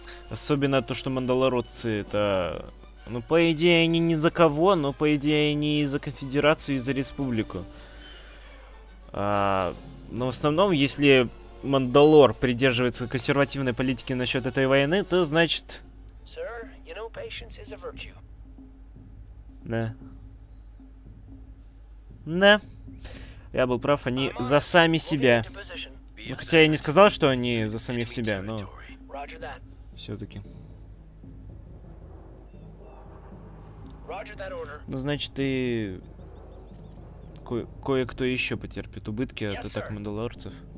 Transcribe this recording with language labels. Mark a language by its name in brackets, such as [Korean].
[Russian] Особенно то, что мандалорцы это... Ну, по идее, они ни за кого, но, по идее, они и за конфедерацию, и за республику. А, но в основном, если Мандалор придерживается консервативной политики насчет этой войны, то значит... [English] Sir, you know, patience is a virtue. [Russian] Да. Да. Я был прав, они за сами себя. Ну, хотя я не сказал, что они за самих себя, но... Все-таки... Ну, значит, и кое-кто еще потерпит убытки от атак мандалорцев.